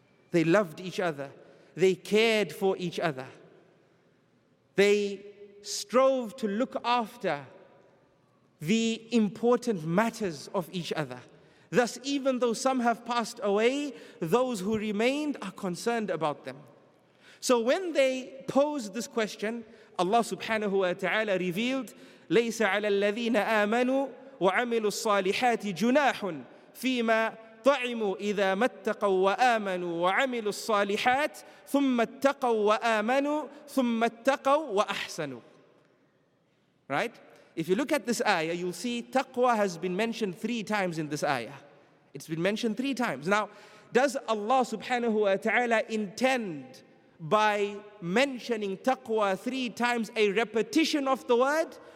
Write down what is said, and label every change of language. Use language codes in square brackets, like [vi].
[en] They loved each other. They cared for each other. They strove to look after the important matters of each other. Thus, even though some have passed away, those who remained are concerned about them. So when they posed this question, Allah subhanahu wa ta'ala revealed, [ar] لَيْسَ عَلَى الَّذِينَ آمَنُوا وَعَمِلُوا الصَّالِحَاتِ جُنَاحٌ فِيمَا طَعِمُوا إِذَا مَتَّقَوْا وَآمَنُوا وَعَمِلُوا الصَّالِحَاتِ ثُمَّ اتَّقَوْا وَآمَنُوا ثُمَّ اتَّقَوْا وَأَحْسَنُوا. [en] Right? If you look at this ayah, you'll see taqwa has been mentioned three times in this ayah. It's been mentioned three times. Now, does Allah subhanahu wa ta'ala intend by mentioning taqwa three times a repetition of the word?